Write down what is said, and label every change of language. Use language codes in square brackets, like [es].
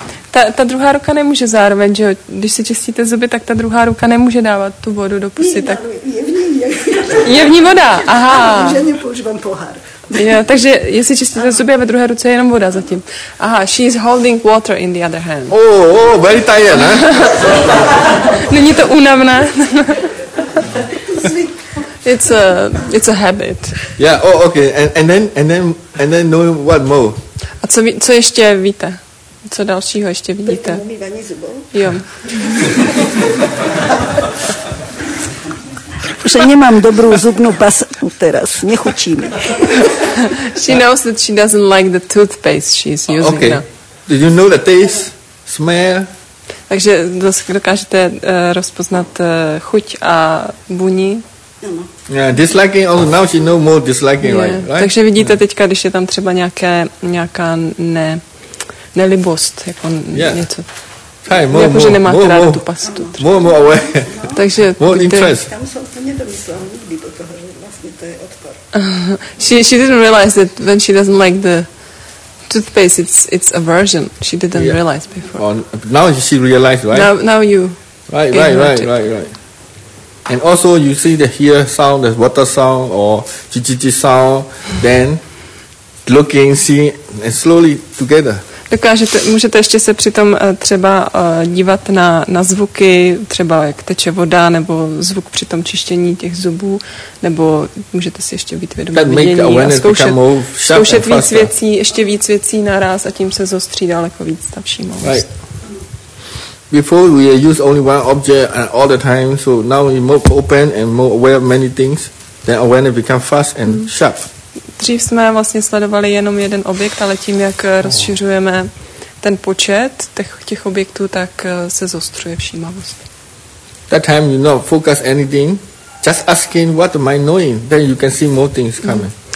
[cs] Ta druhá ruka nemůže zároveň, že jo? Když si čistíte zuby, tak ta druhá ruka nemůže dávat tu vodu do pusy. Tak... Je v ní voda, aha. Ženě používám pohár. Jo, takže jestli čistíte zuby a ve druhé ruce je jenom voda zatím. [en] Aha, she is holding water in the other hand. Oh, very tired, ne? [cs] Není to únavné? [en] It's a habit. Yeah, oh, okay. And then know what more? [cs] A co ještě víte? Co dalšího ještě vidíte? Jo. Že nemám dobrou zubnou pastu teraz. Nechutí mi. [en] She knows that she doesn't like the toothpaste she's using. Okay. No. Do you know the taste? Smell? [cs] Takže dokážete rozpoznat chuť a vůni? [en] Yeah, disliking. Also now she knows more disliking, yeah. Right? [cs] Takže vidíte teďka, když je tam třeba nějaká nelibost, jako yeah. Něco. [en] Hey, more, [cs] jako, [en] more, [cs] že nemáte [en] more, [cs] rád [en] more, [cs] tu pastu. [en] Třeba. More, more aware. [cs] Takže [en] more interest. [cs] Tam jsem to nedomyslela nikdy po toho, že vlastně to je odpor. [en] She didn't realize that when she doesn't like the toothpaste, it's aversion. She didn't yeah. realize before. Well, now she realized, right? Now you. Right. And also you see the hear sound, the water sound or chi-chi-chi sound, then looking, seeing and slowly together. [cs] Můžete ještě se přitom třeba dívat na zvuky, třeba jak teče voda, nebo zvuk při tom čištění těch zubů, nebo můžete si ještě být vědomí vidění a zkoušet víc věcí, ještě víc věcí naraz a tím se zostří daleko víc ta všímavost. [en] Before we use only one object all the time, so now we're more open and more aware of many things, then awareness become fast and sharp. [cs] Dřív jsme vlastně sledovali jenom jeden objekt, ale tím, jak rozšiřujeme ten počet těch objektů, tak se zostruje všímavost. [en] That time you not focus anything, just asking what am I knowing, then you can see more things coming.